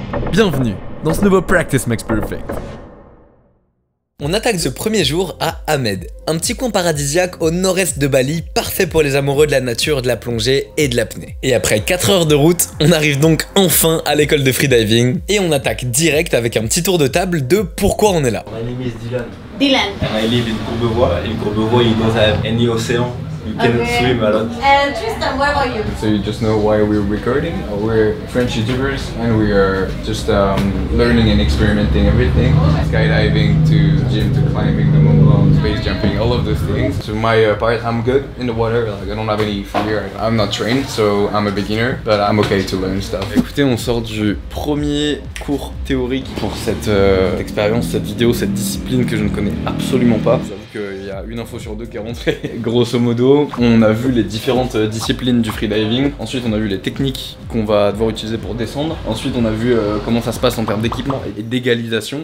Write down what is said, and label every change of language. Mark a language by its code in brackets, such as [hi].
[fr] Bienvenue dans ce nouveau Practice Makes Perfect. On attaque ce premier jour à Ahmed, un petit coin paradisiaque au nord-est de Bali, parfait pour les amoureux de la nature, de la plongée et de l'apnée. Et après 4 heures de route, on arrive donc enfin à l'école de freediving et on attaque direct avec un petit tour de table de pourquoi on est là. [en] My name is Dylan. Dylan. And I live in Courbevoie. In Courbevoie, you don't have any ocean. You cannot swim a lot. And Tristan, where are you? So you just know why we're recording. We're French YouTubers and we are just learning and experimenting everything. Skydiving to gym to climbing, the Mont Blanc, space jumping, all of those things. So my part, I'm good in the water. Like, I don't have any fear. I'm not trained, so I'm a beginner, but I'm okay to learn stuff. [fr] Écoutez, on sort du premier cours théorique pour cette expérience, cette vidéo, cette discipline que je ne connais absolument pas. Qu'il y a une info sur deux qui est rentrée. Grosso modo, on a vu les différentes disciplines du freediving. Ensuite, on a vu les techniques qu'on va devoir utiliser pour descendre. Ensuite, on a vu comment ça se passe en termes d'équipement et d'égalisation.